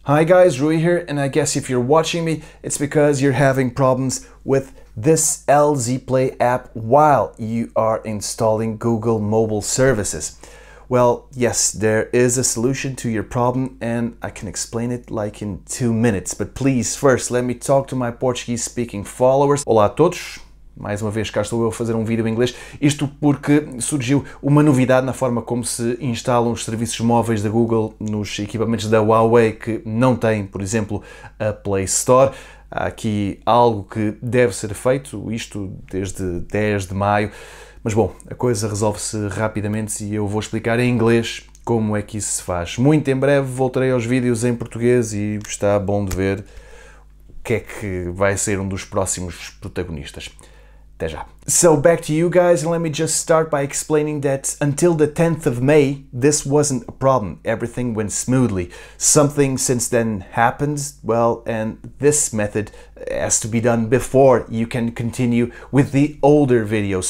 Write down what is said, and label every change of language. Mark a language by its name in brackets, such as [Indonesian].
[English] Hi guys, Rui here, and I guess if you're watching me, it's because you're having problems with this LZ Play app while you are installing Google Mobile Services. Well, yes, there is a solution to your problem, and I can explain it like in 2 minutes. But please, first, let me talk to my Portuguese-speaking followers. [Portuguese] Olá a todos. Mais uma vez, cá estou eu a fazer um vídeo em inglês. Isto porque surgiu uma novidade na forma como se instalam os serviços móveis da Google nos equipamentos da Huawei que não têm, por exemplo, a Play Store. Há aqui algo que deve ser feito, isto desde 10 de maio. Mas bom, a coisa resolve-se rapidamente e eu vou explicar em inglês como é que isso se faz. Muito em breve voltarei aos vídeos em português e está bom de ver que é que vai ser um dos próximos protagonistas. Até já. [English] So back to you guys, and let me just start by explaining that until the 10th of May, this wasn't a problem. Everything went smoothly. Something since then happened, well, and this method has to be done before you can continue with the older video.